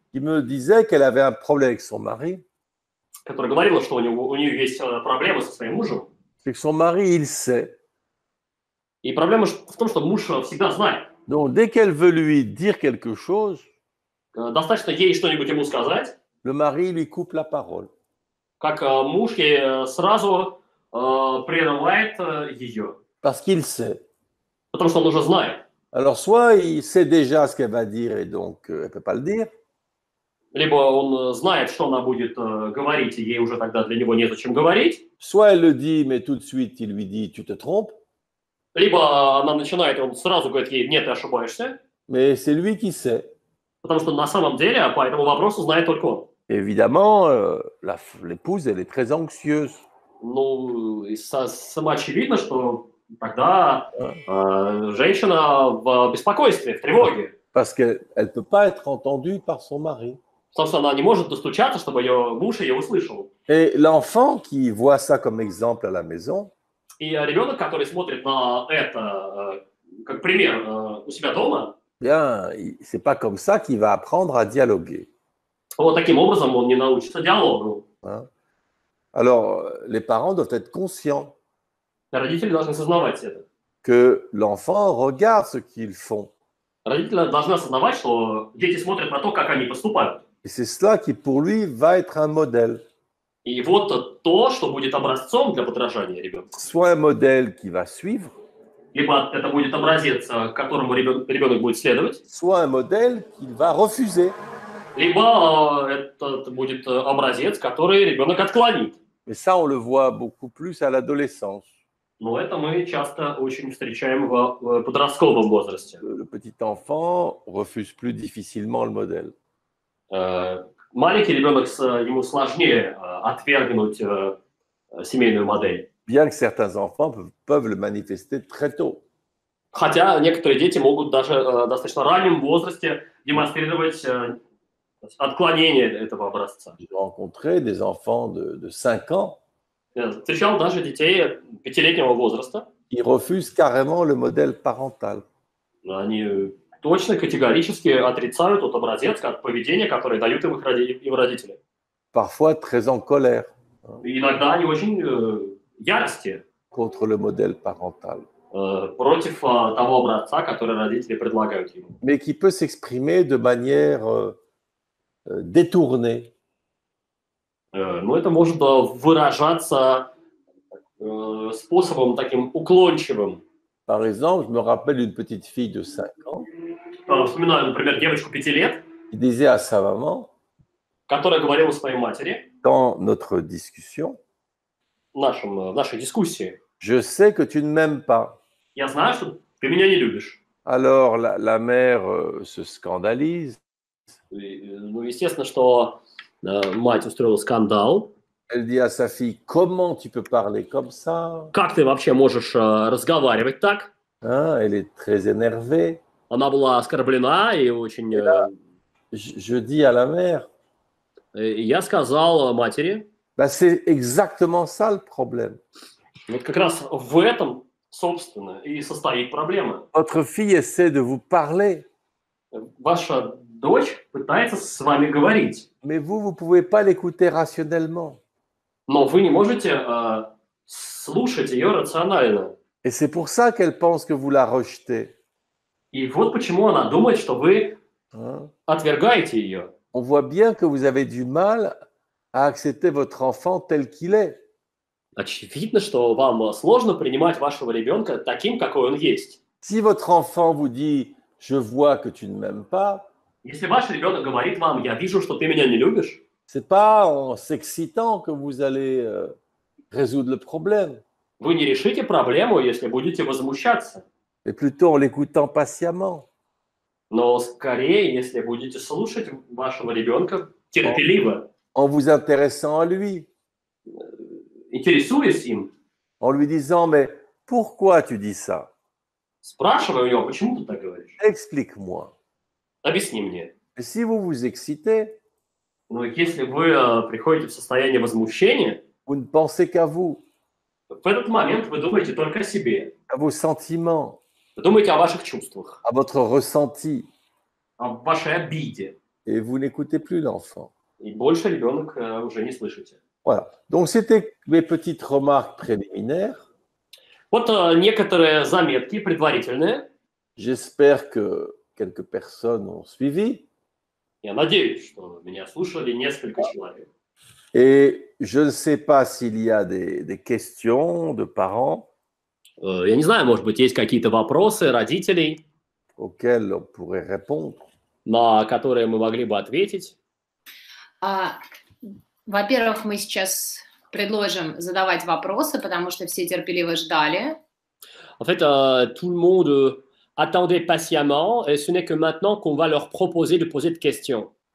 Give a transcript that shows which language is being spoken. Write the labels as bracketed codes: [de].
[fr] Qui me disait qu'elle avait un problème avec son mari. [ru] Которая говорила, что у нее есть проблемы со своим мужем. [fr] C'est que son mari, il sait. [ru] И проблема в том, что муж всегда знает. [fr] Donc, dès qu'elle veut lui dire quelque chose, [ru] достаточно ей что-нибудь ему сказать, [fr] le mari lui coupe la parole. [ru] Как муж ей сразу прерывает ее. [fr] Parce qu'il sait. [ru] Потому что он уже знает. [fr] Alors, soit il sait déjà ce qu'elle va dire et donc elle ne peut pas le dire. [ru] Либо он знает, что она будет говорить, и ей уже тогда для него нет о чем говорить. [fr] Soit elle le dit, mais tout de suite il lui dit, tu te trompes. [ru] Либо она начинает, он сразу говорит ей, нет, ты ошибаешься. [fr] Mais c'est lui qui sait. [ru] Потому что на самом деле по этому вопросу знает только он. [fr] Évidemment, l'épouse, elle est très anxieuse. [ru] Ну, самоочевидно, что тогда женщина в беспокойстве, в тревоге. [fr] Parce qu'elle ne peut pas être entendue par son mari. [ru] Потому что она не может достучаться, чтобы ее муж ее услышал. [fr] Et l'enfant qui voit ça comme exemple à la maison, [ru] и ребенок, который смотрит на это как пример у себя дома, [fr] bien, c'est pas comme ça qu'il va apprendre à dialoguer. [ru] Вот таким образом он не научится диалогу. [fr] Hein? Alors, les parents doivent être conscients. [ru] Родители должны осознавать это. [fr] Que l'enfant regarde ce qu'ils font. [ru] Родители должны осознавать, что дети смотрят на то, как они поступают. [fr] Et c'est cela qui pour lui va être un modèle. [ru] И вот то, что будет образцом для подражания ребенка. [fr] Soit un modèle qui va suivre. [ru] Либо это будет образец, которому ребенок будет следовать. [fr] Soit un modèle qu'il va refuser. [ru] Либо это будет образец, который ребенок отклонит. [fr] Et ça, on le voit beaucoup plus à l'adolescence. [ru] Но это мы часто очень встречаем в подростковом возрасте. [fr] Le petit enfant refuse plus difficilement le modèle. [ru] Маленький ребенок, ему сложнее отвергнуть семейную модель. [fr] Bien que certains enfants peuvent le manifester très tôt. [ru] Хотя некоторые дети могут даже достаточно раннем возрасте демонстрировать отклонение этого образца. [fr] J'ai rencontré des enfants de 5 ans. [ru] Встречал даже детей 5-летнего возраста. [fr] Ils refusent carrément le modèle parental. [ru] Они точно категорически отрицают тот образец как поведение, которое дают им их родители. [fr] Parfois très en colère. [ru] Иногда они очень ярости. [fr] Contre le modèle parental. [ru] Против того образца, который родители предлагают ему. [fr] Mais qui peut s'exprimer de manière détournée. [ru] Ну, это может выражаться способом таким уклончивым. [fr] Par exemple, je me rappelle une petite fille de 5 ans. [ru] Вспоминаю, например, девочку 5 лет, [fr] il disait à sa maman, [ru] которая говорила своей матери, [fr] dans notre discussion, [ru] в нашей дискуссии, [fr] je sais que tu ne m'aimes pas. [ru] Я знаю, что ты меня не любишь. [fr] Alors la mère se scandalise. [ru] Ну, естественно, что мать устроила скандал. [fr] Elle dit à sa fille, comment tu peux parler comme ça? [ru] Как ты вообще можешь разговаривать так? [fr] Hein? Elle est très énervée. [ru] Она была оскорблена и очень... [fr] Là, je dis à la mère. [ru] Я сказал матери. [fr] Bah, c'est exactement ça le problème. [ru] Вот как раз в этом, собственно, и состоит проблема. [fr] Votre fille essaie de vous parler. [ru] Ваша дочь пытается с вами говорить. [fr] Mais vous pouvez pas l'écouter rationnellement. [ru] Но вы не можете слушать ее рационально. [fr] Et c'est pour ça qu'elle pense que vous la rejetez. [ru] Et вот почему она думает, что вы отвергаете её. [fr] On voit bien que vous avez du mal à accepter votre enfant tel qu'il est. [ru] Очевидно, что вам сложно принимать вашего ребёнка таким, какой он есть. [fr] Si votre enfant vous dit je vois que tu ne m'aimes pas. [ru] Если ваш ребёнок говорит вам: "Я вижу, что ты меня не любишь". [fr] C'est pas en s'excitant que vous allez résoudre le problème. [ru] Вы не решите проблему, если будете возмущаться. [fr] Mais plutôt en l'écoutant patiemment. [ru] Но скорее, если будете слушать вашего ребёнка терпеливо. [fr] En vous intéressant à lui. [ru] Интересуясь им. [fr] En lui disant: "Mais pourquoi tu dis ça?" [ru] Спрашивай у него: "Почему ты так говоришь?" [fr] Explique-moi. [ru] Объясни мне. [fr] Et si vous vous excitez, [ru] ну, если вы приходите в состояние возмущения, [fr] vous ne pensez qu'à vous. [ru] В этот момент вы думаете только о себе. [fr] À vos sentiments. [ru] Вы думаете о ваших чувствах. [fr] À votre ressenti. [ru] О вашей обиде. [fr] Et vous n'écoutez plus l'enfant. [ru] И больше ребенок уже не слышите. [fr] Voilà. Donc c'était mes petites remarques préliminaires. [ru] Вот некоторые заметки предварительные. [fr] J'espère que quelques personnes ont suivi. [ru] Я надеюсь, что меня слушали несколько человек. [fr] Et je ne sais pas s'il y a des questions de parents. [ru] Я не знаю, может быть, есть какие-то вопросы родителей. [fr] Auxquels on pourrait répondre. [ru] На которые мы могли бы ответить. Во-первых, мы сейчас предложим задавать вопросы, потому что все терпеливо ждали. [fr] En fait, tout le monde attendait patiemment, et ce n'est que maintenant qu'on va leur proposer de poser des questions.